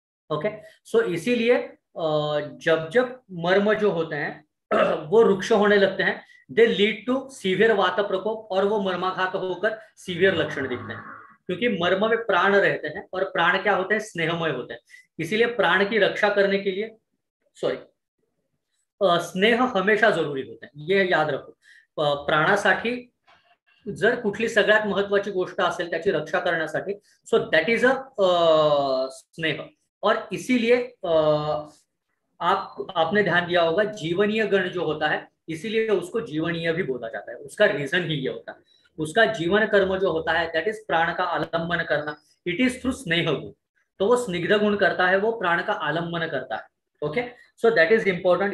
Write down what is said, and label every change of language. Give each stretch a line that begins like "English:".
Hindi: Okay, सो इसीलिए जब जब मर्म जो होते हैं वो रुक्ष होने लगते हैं,
English: they lead to severe
Hindi: वात प्रकोप, और वो मर्माघात होकर सीवियर लक्षण दिखते हैं, क्योंकि मर्म में प्राण रहते हैं और प्राण क्या होते हैं, स्नेहमय होते हैं। इसीलिए प्राण की रक्षा करने के लिए स्नेह हमेशा जरूरी होते हैं, ये याद रखो।
Marathi: प्राणासाठी जर कुठली सगळ्यात महत्त्वाची गोष्ट असेल त्याची रक्षा करण्यासाठी,
English: so that is a
Marathi: स्नेह।
Hindi: और इसीलिए आपने ध्यान दिया होगा, जीवनीय गण जो होता है इसीलिए उसको जीवनीय भी बोला जाता है, उसका रीजन ही ये होता है, उसका जीवन कर्म जो होता है
English: that is
Hindi: प्राण का आलंबन करना,
English: it is through
Hindi: स्नेह गुण। तो वो स्निग्ध गुण करता है, वो प्राण का आलंबन करता है। Okay,
English: So that is important.